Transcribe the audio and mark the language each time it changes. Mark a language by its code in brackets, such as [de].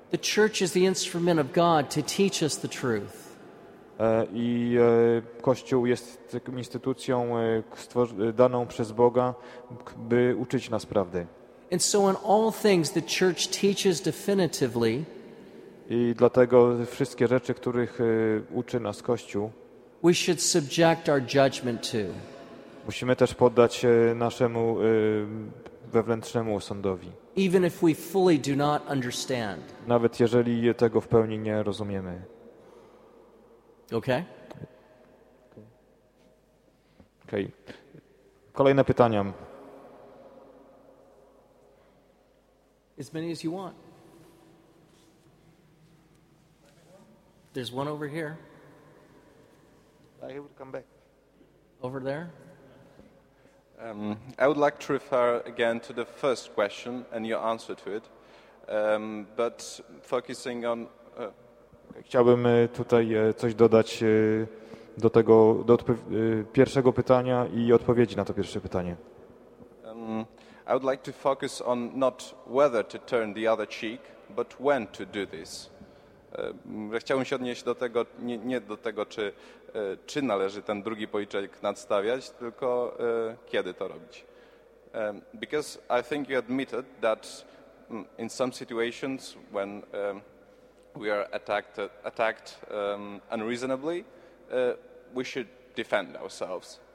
[en] The church is the instrument of God to teach us the truth. [pl] I Kościół jest instytucją daną przez Boga, by uczyć nas prawdy. [en] And so in all things the church teaches definitively. [pl] I dlatego wszystkie rzeczy, których uczy nas Kościół, [en] we should subject our judgment to. [pl] Musimy też poddać naszemu wewnętrznemu osądowi. [en] Even if we fully do not understand. [pl] Nawet jeżeli tego w pełni nie rozumiemy. [en] Okay. [pl] Kolejne pytania. [en] As many as you want. There's one over here. I would come back. Over there. I would like to refer again to the first question and your answer to it, but focusing on. [pl] Chciałbym tutaj coś dodać do tego do pierwszego pytania i odpowiedzi na to pierwsze pytanie. [en] I would like to focus on not whether to turn the other cheek, but when to do this. [pl] Chciałbym się odnieść do tego, nie do tego, czy należy ten drugi policzek nadstawiać, tylko kiedy to robić. [en] Because I think you admitted that in some situations when we are attacked unreasonably, we should defend ourselves.